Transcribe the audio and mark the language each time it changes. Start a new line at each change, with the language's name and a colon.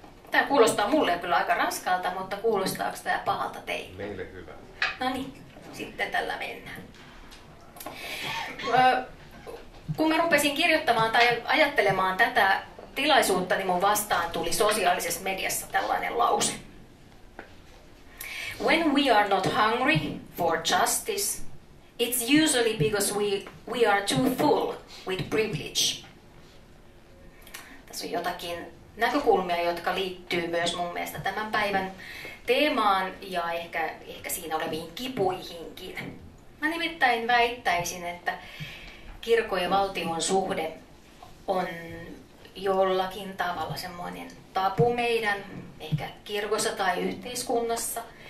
Finnish: Tämä kuulostaa mulle kyllä aika raskalta, mutta kuulostaako tämä pahalta teille? Meille hyvä. No niin, sitten tällä mennään. Kun mä rupesin kirjoittamaan tai ajattelemaan tätä tilaisuutta, niin mun vastaan tuli sosiaalisessa mediassa tällainen lause.
English: When we are not hungry for justice, it's usually because we are too full with privilege.
Finnish: Tässä on jotakin näkökulmia, jotka liittyy myös mun mielestä tämän päivän teemaan ja ehkä siinä oleviin kipuihinkin. Mä nimittäin väittäisin, että kirkon ja valtion suhde on jollakin tavalla semmoinen tabu meidän, ehkä kirkossa tai yhteiskunnassa.